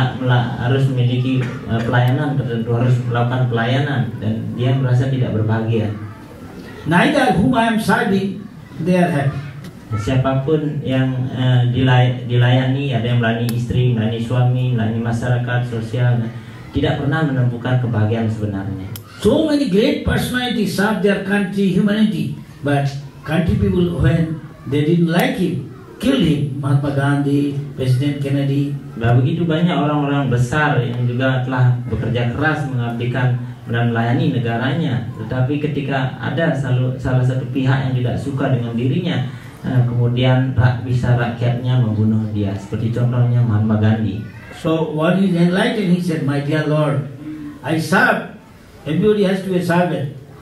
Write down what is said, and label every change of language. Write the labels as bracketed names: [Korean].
[Indonesian] Harus memiliki pelayanan tertentu, harus melakukan pelayanan, dan dia merasa tidak berbahagia. [English] Neither whom I am serving, they are happy. [Indonesian] Siapapun yang dilayani, ada yang melayani istri, melayani suami, melayani masyarakat sosial, tidak pernah menemukan kebahagiaan sebenarnya. [English] So many great personality serve their country, humanity, but country people, when they didn't like him, kill him. Mahatma Gandhi, President Kennedy. [Indonesian] Nah, begitu banyak orang-orang besar yang juga telah bekerja keras mengabdikan dan melayani negaranya, tetapi ketika ada salah satu pihak yang tidak suka dengan dirinya, kemudian rakyatnya membunuh dia, seperti contohnya Mahatma Gandhi. [English] So one is enlightened, he said, my dear Lord, I serve, everybody has to be a servant.